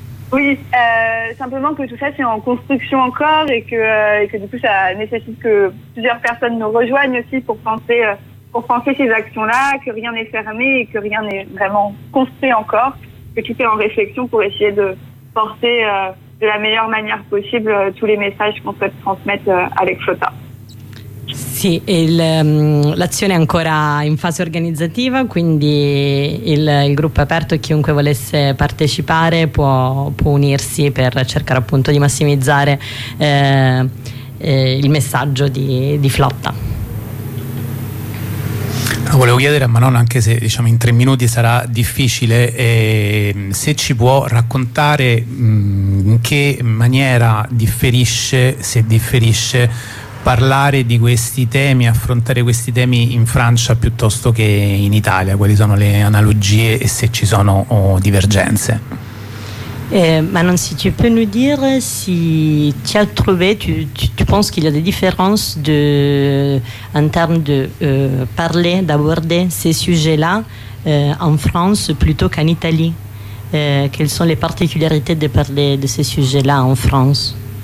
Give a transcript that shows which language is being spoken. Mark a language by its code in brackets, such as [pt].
[fr] Oui, simplement que tout ça c'est en construction encore et que du coup ça nécessite que plusieurs personnes nous rejoignent aussi pour penser ces actions-là, que rien n'est fermé et que rien n'est vraiment construit encore, que tout est en réflexion pour essayer de porter de la meilleure manière possible tous les messages qu'on souhaite transmettre avec Flotta. [it] Sì, l'azione è ancora in fase organizzativa, quindi il gruppo è aperto e chiunque volesse partecipare può unirsi per cercare appunto di massimizzare il messaggio di Flotta. Volevo chiedere a Manon, anche se diciamo in 3 minuti sarà difficile, se ci può raccontare in che maniera differisce, se differisce, parlare di questi temi, affrontare questi temi in Francia piuttosto che in Italia, quali sono le analogie e se ci sono divergenze. [fr] Manon, si tu peux nous dire si tu as trouvé, tu penses qu'il y a des différences en termes de parler, d'aborder ces sujets-là en France plutôt qu'en Italie. Quelles sont les particularités de parler de ces sujets-là en France?